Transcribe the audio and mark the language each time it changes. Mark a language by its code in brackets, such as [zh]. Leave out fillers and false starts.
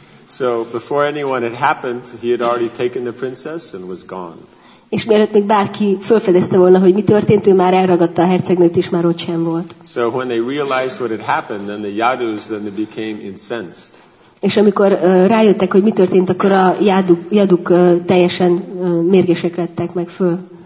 [en] So before anyone had happened, he had already taken the princess and was gone. [hu] És mielőtt még bárki felfedezte volna, hogy mi történt, ő már elragadta a hercegnőt, és már ott sem volt. [en] So when they realized what had happened, then the Yadus then they became incensed. [hu] És amikor rájöttek, hogy mi történt, akkor a Yaduk teljesen mérgesek lettek meg föl.